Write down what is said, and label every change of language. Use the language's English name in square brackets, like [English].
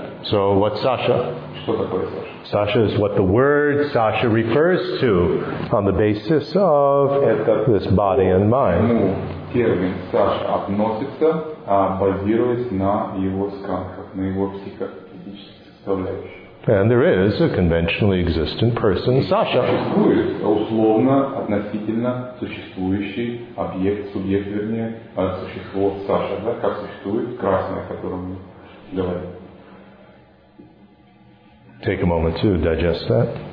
[English] So what's Sasha? Sasha is what the word Sasha refers to on the basis of this body and mind. [Russian] Термин Саша относится, базируясь на его сканках, на его психофизической составляющей. [English] And there is a conventionally existent person, Sasha. [Russian] Существует условно относительно существующий объект, субъект, вернее, существо Саша, да, как существует красное, о котором мы говорим. [English] Take a moment to digest that.